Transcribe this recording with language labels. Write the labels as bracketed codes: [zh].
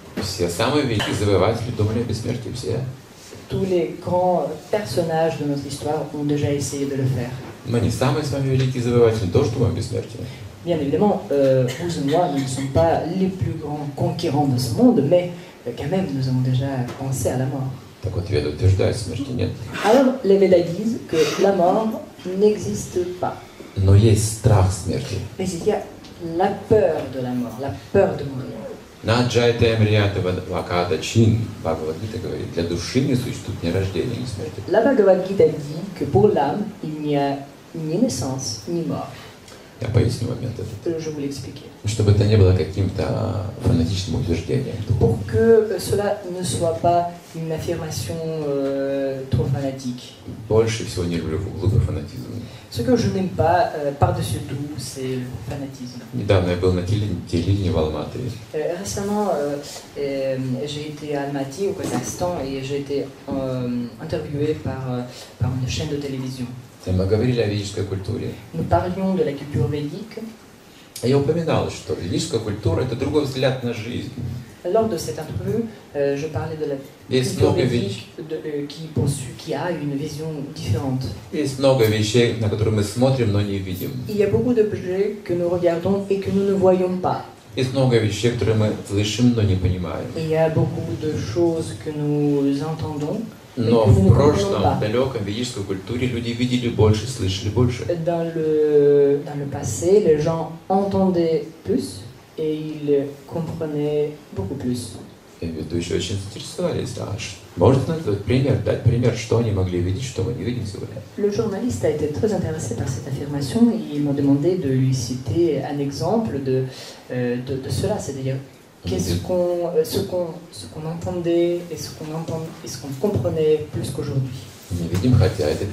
[ru] Все самые великие завоеватели думали о бессмертии, все. [fr] Tous les grands personnages de notre histoire ont déjà essayé de le faire. [ru] Мы не самые с вами великие завоеватели, тоже думаем о бессмертии. [fr] Bien évidemment, vous et moi ne sommes pas les plus grands conquérants de ce monde, mais quand même, nous avons déjà pensé à la mort. [ru] Так вот, Веда утверждает, смерти нет. [fr] Alors, les Védas disent que la mort n'existe pas. [ru] Но есть страх смерти. [fr] Mais il y a la peur de la mort, la peur de mourir. [sa] Наджайте Амрията Вакада Чин, [ru] Бхагавад-гита говорит, для души не существует ни рождения, ни смерти. [fr] La Bhagavad-gita dit que pour l'âme, il n'y a [ru] ни [fr] naissance, ни mort. [ru] Я поясню момент этот. [fr] Je vous l'expliquer. [ru] Чтобы это не было каким-то фанатичным утверждением. [fr] Pour que cela ne soit pas une affirmation trop fanatique. [ru] Больше всего не люблю глупый фанатизм. [fr] Ce que je n'aime pas par-dessus tout, c'est le fanatisme. [ru] Недавно я был на телевидении в Алматы. [fr] Récemment, j'ai été à Almaty au Kazakhstan et j'ai été interviewé par une chaîne de télévision. [ru] Мы говорили о ведической культуре. Мы [fr] parlions de la culture védique. [ru] Я упоминал, что ведическая культура — это другой взгляд на жизнь. [fr] Lors de cette interview, je parlais de la culture védique qui a une vision différente. [ru] Есть много вещей, на которые мы смотрим, но не видим. [fr] Il y a beaucoup d'objets que nous regardons et que nous ne voyons pas. [ru] Есть много вещей, которые мы слышим, но не понимаем. [fr] Il y a beaucoup de choses que nous entendons. [ru] Но в прошлом, в далеком ведической культуре, люди видели больше, слышали больше. [fr] Dans le passé, les gens entendaient plus et ils comprenaient beaucoup plus. Et [ru] ведущие очень интересовались, да. Можно дать пример, что они могли видеть, что мы не видим сегодня? [fr] Le journaliste a été très intéressé par cette affirmation et il m'a demandé de lui citer un exemple de cela, c'est-à-dire ce qu'on entendait et ce qu'on comprenait plus qu'aujourd'hui.